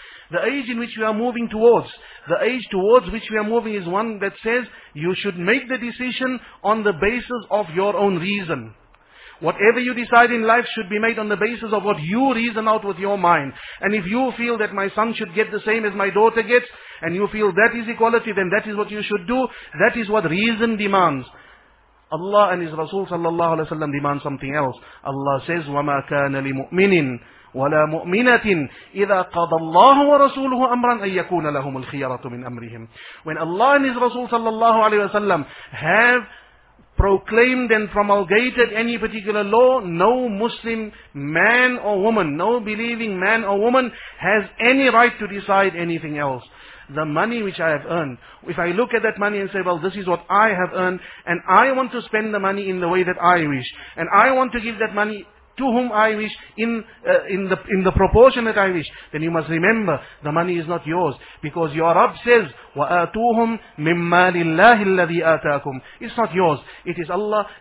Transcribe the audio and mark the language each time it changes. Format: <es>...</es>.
<en>The age in which we are moving towards, the age towards which we are moving is one that says you should make the decision on the basis of your own reason. Whatever you decide in life should be made on the basis of what you reason out with your mind. And if you feel that my son should get the same as my daughter gets, and you feel that is equality, then that is what you should do. That is what reason demands. Allah and His Rasul sallallahu alaihi wasallam demand something else.</en> <ar>Allah says, وَمَا كَانَ لِمُؤْمِنٍ وَلَا مُؤْمِنَةٍ إِذَا قَضَى اللَّهُ وَرَسُولُهُ أَمْرًا أَن يَكُونَ لَهُمُ الْخِيَرَةُ مِنْ أَمْرِهِمْ.</ar> <en>When Allah and His Rasul sallallahu alayhi wa sallam have proclaimed and promulgated any particular law, no Muslim man or woman, no believing man or woman has any right to decide anything else. The money which I have earned, if I look at that money and say, well, this is what I have earned, and I want to spend the money in the way that I wish, and I want to give that money to whom I wish in the proportion that I wish, then you must remember the money is not yours, because your Rabb says,</en> <ar>وَآتُوهُمْ مِمَّا لِلَّهِ الَّذِي آتَاكُمْ.</ar> <en>It's not yours. It is Allah.</en>